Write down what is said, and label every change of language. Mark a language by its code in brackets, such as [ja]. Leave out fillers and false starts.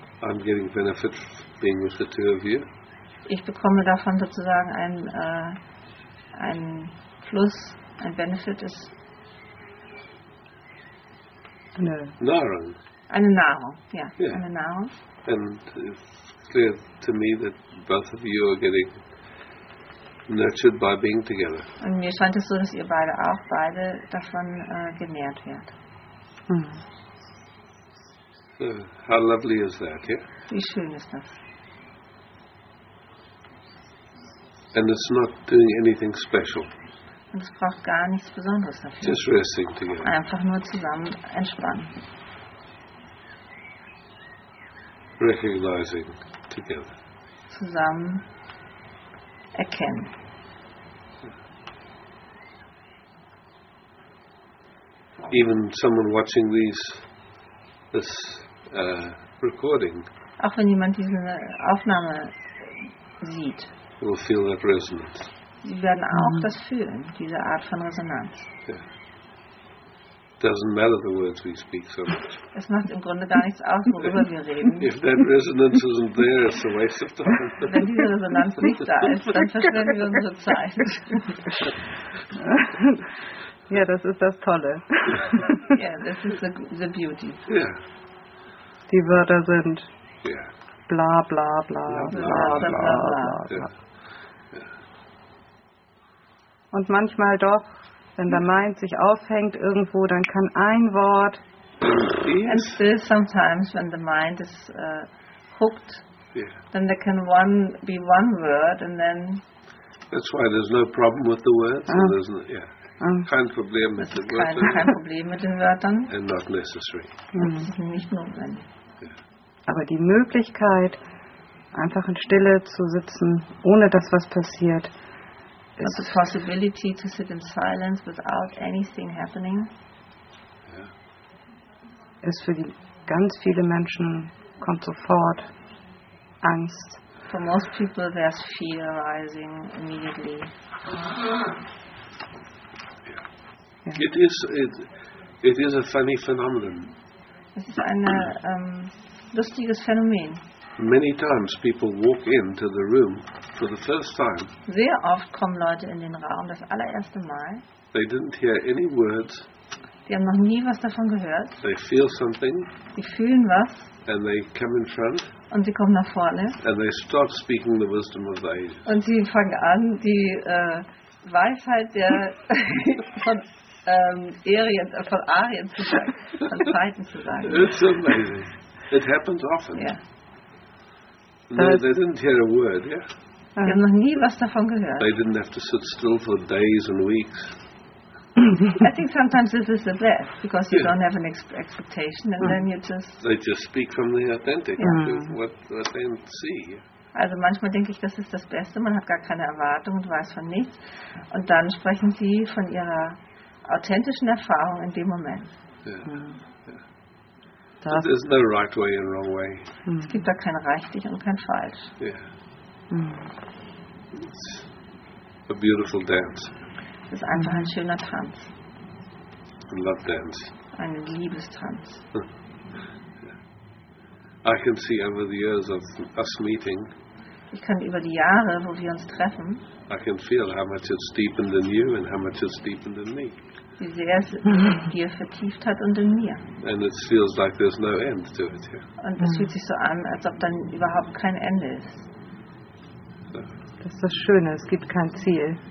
[en] I'm getting benefit being with the two of you. [de] Ich bekomme davon sozusagen ein Plus, ein Benefit ist eine Nahrung. Eine Nahrung, ja, yeah. Eine Nahrung. [en] And it's clear to me that both of you are getting nurtured by being together. [de] Und mir scheint es so, dass ihr beide auch beide davon genährt werdet. [en] So, how lovely is that, yeah? [de] Wie schön ist das? [en] And it's not doing anything special. [de] Und es braucht gar nichts Besonderes dafür. [en] Just resting together. [de] Einfach nur zusammen entspannen. [en] Recognizing together. [de] Zusammen erkennen. [en] Even someone watching this recording. [de] Auch wenn jemand diese Aufnahme sieht. [en] Will feel that resonance. [de] Sie werden auch das fühlen, diese Art von Resonanz. [en] Yeah. Doesn't matter the words we speak so much. [de] Es macht im Grunde gar nichts aus, worüber wir reden. [en] If that resonance isn't there, it's a waste of time. [de] Wenn diese Resonanz nicht da ist, dann verschwenden wir unsere Zeit. Ja, das ist das Tolle. Ja, das ist [en] the beauty. Yeah. [de] Die Wörter sind. [en] Yeah. Bla bla bla bla bla bla bla. [de] Und manchmal doch, wenn der Mind sich aufhängt irgendwo, dann kann ein Wort. [en] And still sometimes when the mind is hooked, then there can be one word and then. That's why there's no problem with the words, isn't it? [de] Yeah. Kein Problem mit den Wörtern. Kein Problem mit den Wörtern. [en] And not necessary. [de] Nicht notwendig. Aber die Möglichkeit, einfach in Stille zu sitzen, ohne dass was passiert, ist. [en] The possibility to sit in silence without anything happening. Yeah. [de] Ist für die ganz viele Menschen kommt sofort Angst. [en] For most people there's fear arising immediately. It is a funny phenomenon. [de] Es ist eine lustiges Phänomen. [en] Many times people walk into the room for the first time. [de] Sehr oft kommen Leute in den Raum das allererste Mal. [en] They didn't hear any words. [de] Die haben noch nie was davon gehört. [en] They feel something. [de] Die fühlen was. [en] And they come in front. [de] Und sie kommen nach vorne. [en] And they start speaking the wisdom of the ages. [de] Und sie fangen an, die Weisheit der von Arien zu sagen, von Zeiten zu sagen. [en] It's amazing. It happens often. Yeah. No, they didn't hear a word, yeah? [de] Sie haben noch nie was davon gehört. [en] They didn't have to sit still for days and weeks. I think sometimes this is the best, because you don't have an expectation, and then you just... They just speak from the authentic, what they see. [de] Also manchmal denke ich, das ist das Beste, man hat gar keine Erwartung und weiß von nichts. Und dann sprechen sie von ihrer authentischen Erfahrung in dem Moment. [en] But there's no right way and wrong way. [de] Es gibt da kein richtig und kein falsch. [en] It's a beautiful dance. [de] Es ist einfach ein schöner Tanz. [en] A love dance. [de] Ein Liebestanz. [en] I can see over the years of us meeting. [de] Ich kann über die Jahre, wo wir uns treffen. [en] I can feel how much it's deepened in you and how much it's deepened in me. [de] Wie sehr es dir vertieft hat und in mir. [en] And it feels like there's no end to it, yeah. [de] Und es fühlt sich so an, als ob dann überhaupt kein Ende ist. Das ist das Schöne, es gibt kein Ziel.